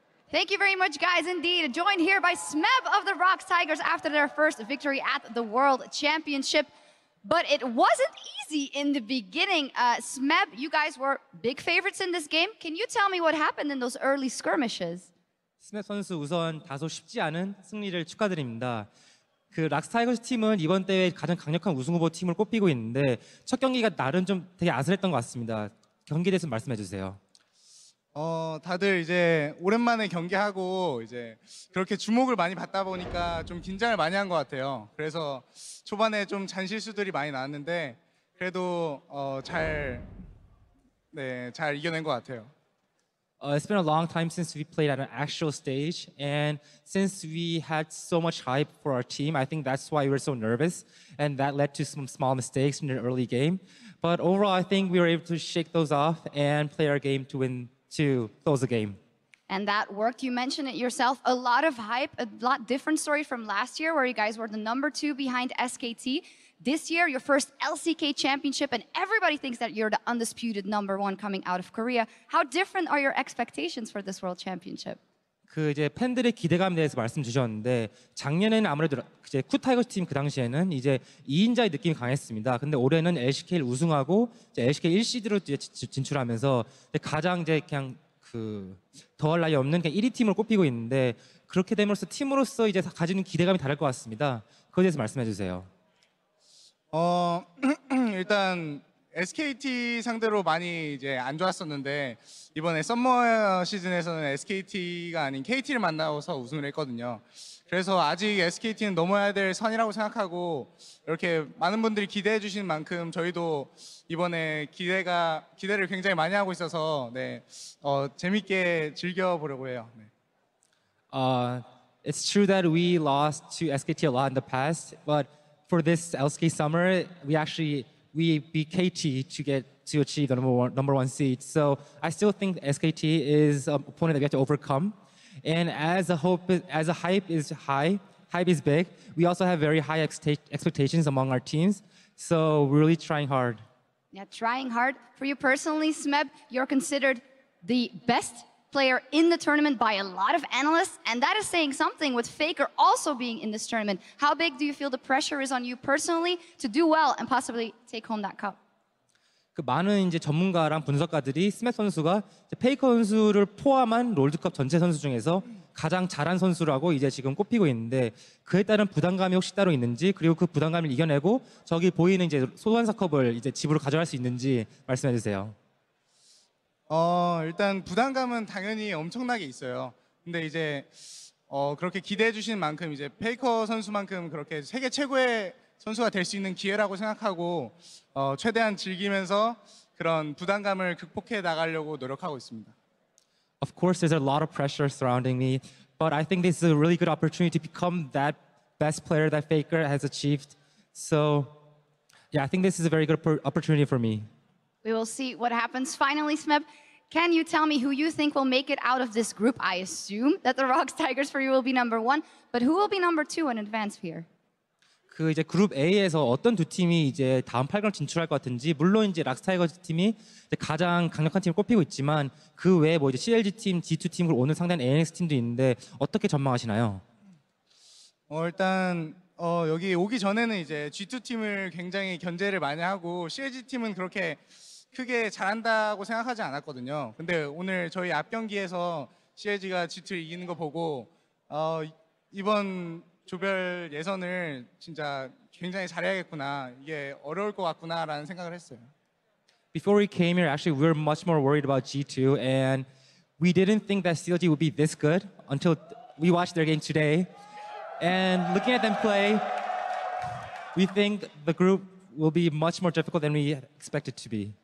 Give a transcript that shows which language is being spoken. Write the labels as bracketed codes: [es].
[en] Thank you very much, guys, indeed. Joined here by Smeb of the Rox Tigers after their first victory at the World Championship. But it wasn't easy in the beginning. Smeb, you guys were big favorites in this game. Can you tell me what happened in those early skirmishes? [ko] Smeb 선수, 우선 다소 쉽지 않은 승리를 축하드립니다. 그 락스타이거스 팀은 이번 대회 가장 강력한 우승 후보 팀을 꼽히고 있는데 첫 경기가 나름 좀 되게 아슬했던 것 같습니다. 경기에 대해서 말씀해 주세요. 다들 이제 오랜만에 경기하고 이제 그렇게 주목을 많이 받다 보니까 좀 긴장을 많이 한 것 같아요. 그래서 초반에 좀 잔실수들이 많이 나왔는데 그래도 잘 이겨낸 것 같아요. [en] It's been a long time since we played at an actual stage, and since we had so much hype for our team, I think that's why we were so nervous, and that led to some small mistakes in the early game. But overall, I think we were able to shake those off and play our game to win, to close the game. And that worked. You mentioned it yourself. A lot of hype, a lot different story from last year, where you guys were the number two behind SKT. This year, your first LCK championship, and everybody thinks that you're the undisputed number one coming out of Korea. How different are your expectations for this world championship? [ko] 그 이제 팬들의 기대감에 대해서 말씀 주셨는데 작년에는 아무래도 이제 쿠타이거스 팀 그 당시에는 이제 2인자의 느낌이 강했습니다. 근데 올해는 LCK를 우승하고 이제 LCK 1시드로 이제 진출하면서 가장 이제 그냥 그 더할 나위 없는 그냥 1위 팀을 꼽히고 있는데 그렇게 됨으로써 팀으로서 이제 가지는 기대감이 다를 것 같습니다. 그거에 대해서 말씀해 주세요. 일단 SKT 상대로 많이 이제 안 좋았었는데 이번에 썸머 시즌에서는 SKT가 아닌 KT를 만나서 우승을 했거든요. 그래서 아직 SKT는 넘어야 될 선이라고 생각하고 이렇게 많은 분들이 기대해 주시는 만큼 저희도 이번에 기대를 굉장히 많이 하고 있어서 네. 재밌게 즐겨 보려고 해요. 네. [en] It's true that we lost to SKT a lot in the past, but for this LCK summer, we beat KT to achieve the number one seed. So I still think SKT is an opponent that we have to overcome. And hype is big, we also have very high expectations among our teams. So we're really trying hard. Yeah, trying hard. For you personally, Smeb, you're considered the best player in the tournament by a lot of analysts, and that is saying something with Faker also being in this tournament. How big do you feel the pressure is on you personally to do well and possibly take home that cup? [ko] 그 많은 이제 전문가랑 분석가들이 스매 선수가 페이커 선수를 포함한 롤드컵 전체 선수 중에서 가장 잘한 선수라고 이제 지금 꼽히고 있는데 그에 따른 부담감이 혹시 따로 있는지 그리고 그 부담감을 이겨내고 저기 보이는 이제 소환사 컵을 이제 집으로 가져갈 수 있는지 말씀해 주세요. 일단 부담감은 당연히 엄청나게 있어요. 근데 이제 그렇게 기대해 주신 만큼 이제 페이커 선수만큼 그렇게 세계 최고의 선수가 될 수 있는 기회라고 생각하고 최대한 즐기면서 그런 부담감을 극복해 나가려고 노력하고 있습니다. [en] Of course, there's a lot of pressure surrounding me, but I think this is a really good opportunity to become that best player that Faker has achieved. So, yeah, I think this is a very good opportunity for me. We will see what happens. Finally, Smeb, can you tell me who you think will make it out of this group? I assume that the Rocks Tigers for you will be number one, but who will be number two in advance here? [ko] 그 이제 그룹 A에서 어떤 두 팀이 이제 다음 8강 진출할 것 같은지 물론 이제 락스타이거즈 팀이 이제 가장 강력한 팀을 꼽히고 있지만 그 외에 뭐 이제 CLG 팀, G2 팀 그리고 오늘 상대한 ANX 팀도 있는데 어떻게 전망하시나요? 일단 여기 오기 전에는 이제 G2 팀을 굉장히 견제를 많이 하고 CLG 팀은 그렇게 크게 잘한다고 생각하지 않았거든요. 근데 오늘 저희 앞 경기에서 CLG가 G2를 이기는 거 보고 이번 조별 예선을 진짜 굉장히 잘해야겠구나. 이게 어려울 것 같구나라는 생각을 했어요. [en] Before we came here, actually, we were much more worried about G2, and we didn't think that CLG would be this good until we watched their game today. And looking at them play, we think the group will be much more difficult than we expected to be.